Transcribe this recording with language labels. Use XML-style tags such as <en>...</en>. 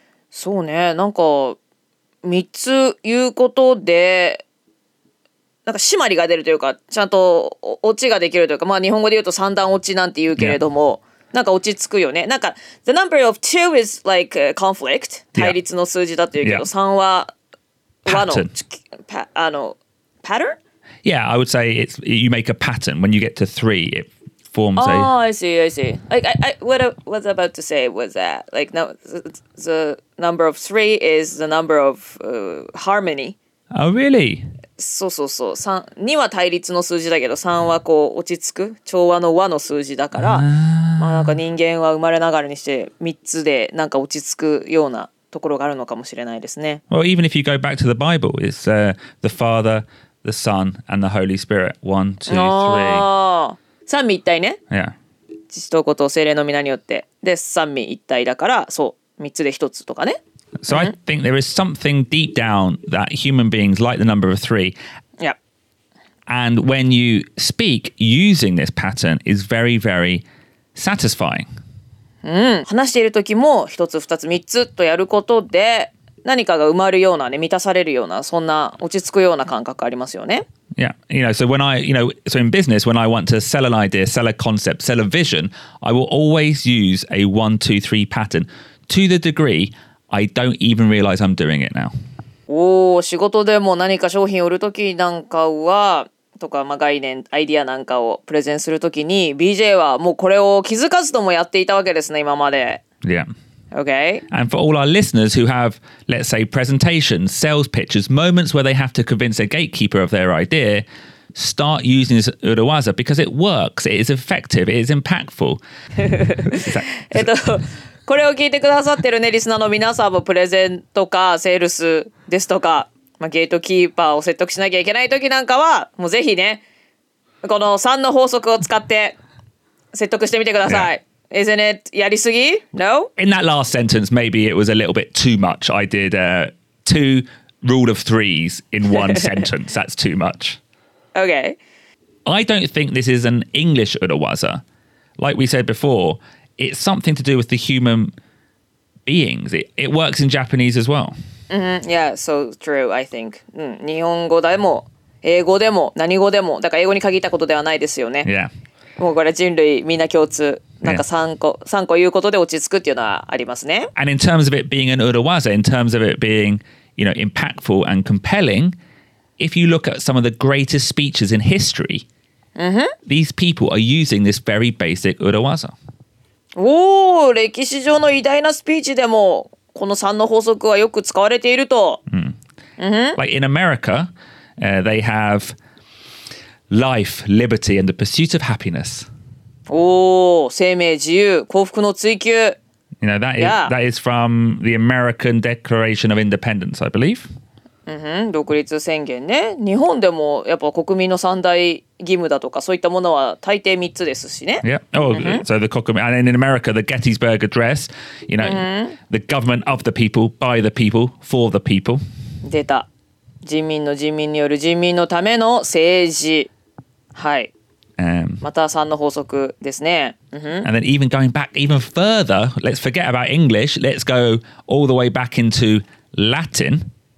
<ja>そうね、なんか三つ言うことでなんか締まりが出るというか、ちゃんとオチができるというか、まあ日本語で言うと三段オチなんて言うけれども、yeah. なんか落ち着くよね。</ja> <en>なんか the number of two is like a conflict、yeah.</en> <ja>対立の数字だというけど、三、yeah. は和のパあのパターン。</ja> <en>Yeah, I would say it's you make a pattern. When you get to three, it forms oh, a. Oh, I see, I see. Like, I what I was about to say was that like no, the number of three is the number of harmony. Oh, really? So, so, so.</en> <ja>3, 2は対立の数字だけど、3はこう落ち着く調和の和の数字だから、まあなんか人間は生まれながらにして3つでなんか落ち着くようなところがあるのかもしれないですね。</ja> <en>Well, even if you go back to the Bible, it's the Father. The Son and the Holy Spirit. One, two, three.</en> <ja>Oh, 三位一体ね。</ja> <en>Yeah.</en> <ja>父と子と聖霊の御名によって。で、三位一体だから、そう、三つで一つとかね。</ja> <en>So I think there is something deep down that human beings like the number of three. Yeah. And when you speak using this pattern is very, very satisfying.</en> <ja>うん。話している時も一つ、二つ、三つとやることで、何かが埋まるようなね、満たされるような、そんな落ち着くような感覚ありますよね。</ja> <en>Yeah, you know, so when I, you know, so in business, when I want to sell an idea, sell a concept, sell a vision, I will always use a 1-2-3 pattern to the degree I don't even realize I'm doing it now.</en> <ja>おお、仕事でも何か商品を売るときなんかは、とか、まあ、概念、アイディアなんかをプレゼンするときに、BJ はもうこれを気づかずともやっていたわけですね、今まで。</ja> <en>Yeah. Okay. And for all our listeners who have, let's say, presentations, sales pitches, moments where they have to convince a gatekeeper of their idea, start using this Uruwaza because it works. It is effective. It is impactful.</en> <ja>これを聞いてくださってるね、リスナーの皆さんもプレゼンとかセールスですとか、まあ、ゲートキーパーを説得しなきゃいけない時なんかは、もうぜひね、この3の法則を使って説得してみてください。</ja> <en>Yeah. Isn't it</en> <ja>やりすぎ?</ja> <en>No? In that last sentence, maybe it was a little bit too much. I did two rule of threes in one sentence. That's too much. Okay. I don't think this is an English Uruwaza. Like we said before, it's something to do with the human beings. It works in Japanese as well. Mm-hmm. Yeah, so true, I think.</en> <ja>日本語でも、英語でも、何語でも、だから英語に限ったことではないですよね。</ja> <en>Yeah.</en> <ja>もうこれ人類みんな共通、なんか3個言うことで落ち着くっていうのはありますね。</ja> <en>And in terms of it being an Uruwaza, in terms of it being, you know, impactful and compelling, if you look at some of the greatest speeches in history,、 mm-hmm. these people are using this very basic Uruwaza.</en> <ja>おー、歴史上の偉大なスピーチでも、この3の法則はよく使われていると。</ja> <en>Mm-hmm. Like in America,、they have... Life, liberty, and the pursuit of happiness.</en> <ja>Oh, 生命自由、幸福の追求。</ja> <en>You know, that is,、yeah. that is from the American Declaration of Independence, I believe.</en> <ja>Mm-hmm, 独立宣言ね。日本でもやっぱ国民の三大義務だとかそういったものは大抵三つですしね。</ja> <en>Yeah, oh,、mm-hmm. so the 国民 and then in America, the Gettysburg Address, you know,、mm-hmm. the government of the people, by the people, for the people.</en> <ja>出た。人民の人民による人民のための政治、はい。また3の法則ですね。</ja> <en>And then even going back even further, let's forget about English. Let's go all the way back into Latin.</en>